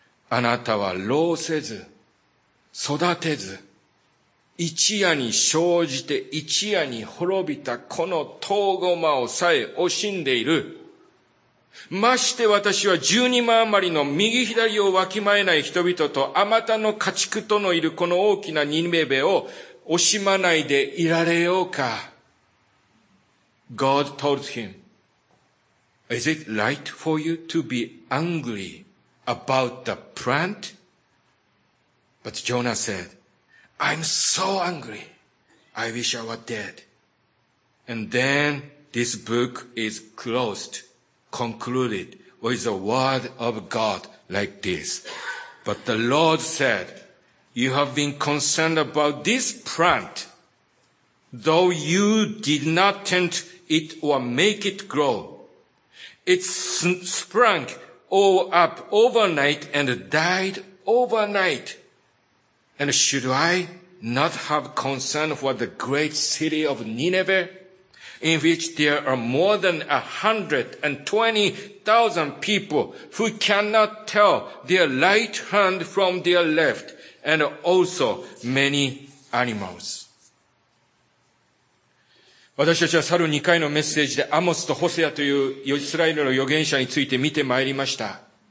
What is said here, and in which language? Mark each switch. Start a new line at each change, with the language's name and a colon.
Japanese: あなたは老せず、育てず、一夜に生じて一夜に滅びたこの唐ごまをさえ惜しんでいる。まして私は十二万余りの右左をわきまえない人々と、あまたの家畜とのいるこの大きなニネベを惜しまないでいられようか。
English: God told him, Is it right for you to be angry about the plant? But Jonah said, I'm so angry. I wish I were dead. And then this book is closed, concluded with the word of God like this. But the Lord said, You have been concerned about this plant. Though you did not tend it or make it grow, it sprang all up overnight and died overnight. And should I not have concern for the great city of Nineveh, in which there are more than 120,000 people who cannot tell their right hand from their left, and also many animals?
Japanese: 私たちは去る2回のメッセージでアモスとホセアというイスラエルの預言者について見てまいりました。